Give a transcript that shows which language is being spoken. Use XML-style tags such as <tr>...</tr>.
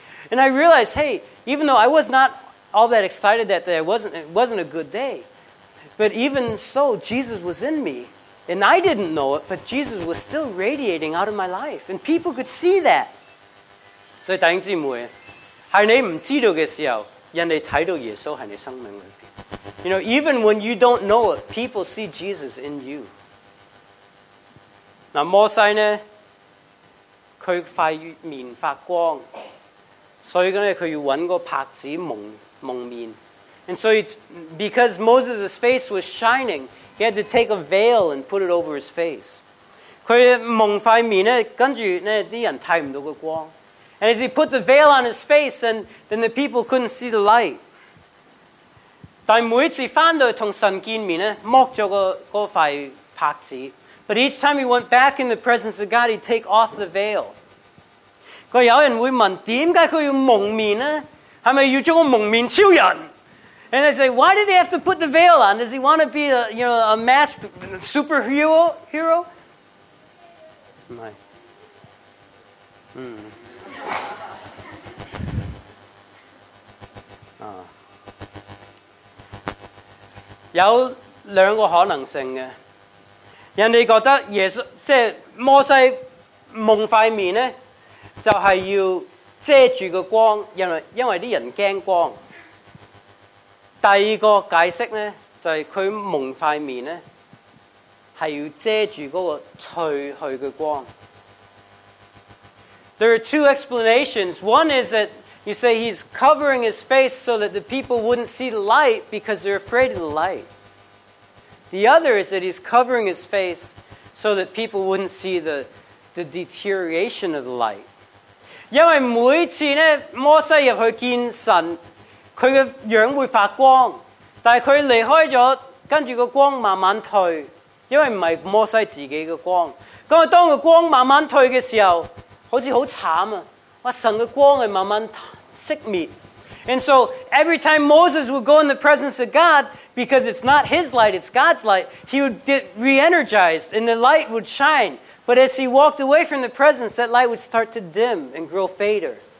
<en>And I realized, hey, even though I was not all that excited that day, it wasn't a good day, but even so, Jesus was in me, and I didn't know it, but Jesus was still radiating out of my life, and people could see that.</en> <yue>所以弟兄姊妹。喺你唔知道嘅时候，人哋睇到耶稣喺你生命里边。</yue> <en>You know, even when you don't know it, people see Jesus in you.</en> <yue>嗱，摩西呢，佢块面发光，所以咧佢要揾个帕子蒙面。</yue> <en>And so, because Moses' face was shining, he had to take a veil and put it over his face.</en> <yue>佢蒙块面咧，跟住咧啲人睇唔到个光。</yue> <en>And as he put the veil on his face, then the people couldn't see the light.</en> <yue>但每次翻到同神见面咧，剥咗个块帕子。</yue> <en>But each time he went back in the presence of God, he'd take off the veil.</en> <yue>佢有人会问：点解佢要蒙面咧？系咪要做个蒙面超人</yue> <en>？And they say, why did he have to put the veil on? Does he want to be a masked superhero?</en> <yue>唔系。有两个可能性嘅，人哋觉得耶稣即系摩西蒙块面咧，就系要遮住个光，因为啲人惊光。第二个解释咧，就系佢蒙块面咧，系要遮住嗰个褪去嘅光。</yue> <en>There are two explanations. One is that you say he's covering his face so that the people wouldn't see the light because they're afraid of the light. The other is that he's covering his face so that people wouldn't see the deterioration of the light.</en> <yue>因为每次呢，摩西入去见神，佢个样会发光，但系佢离开咗，跟住个光慢慢退，因为唔系摩西自己嘅光。咁啊，当个光慢慢退嘅时候。好似好慘啊！哇，神嘅光係慢慢熄滅。</yue> <en>And so every time Moses would go in the presence of God, because it's not his light, it's God's light, he would get re-energized and the light would shine. But as he walked away from the presence, that light would start to dim and grow fader.</en>